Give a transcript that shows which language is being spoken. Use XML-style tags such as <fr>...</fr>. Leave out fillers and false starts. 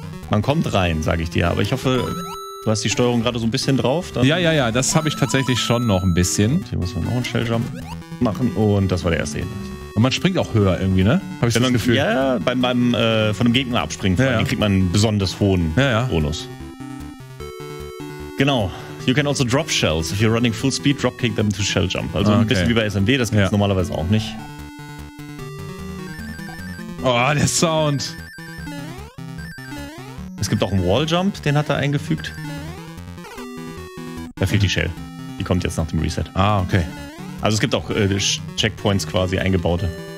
<de>Man kommt rein, sage ich dir. Aber ich hoffe, du hast die Steuerung gerade so ein bisschen drauf. Dann ja, das habe ich tatsächlich schon noch ein bisschen. Und hier muss man noch einen Shelljump machen. Und das war der erste Hinweis. Und man springt auch höher irgendwie, ne? Habe ich so das Gefühl. Ja, von einem Gegner abspringen. Ja, ja. Den kriegt man einen besonders hohen Bonus. Genau.</de> <en>You can also drop shells. If you're running full speed, dropkick them to shell jump.</en> <de>Also ein bisschen wie bei SMB, das gibt es normalerweise auch nicht. Oh, der Sound. Es gibt auch einen Wall Jump, den hat er eingefügt. Da fehlt die Shell. Die kommt jetzt nach dem Reset. Ah, okay. Also es gibt auch Checkpoints quasi eingebaute.</de>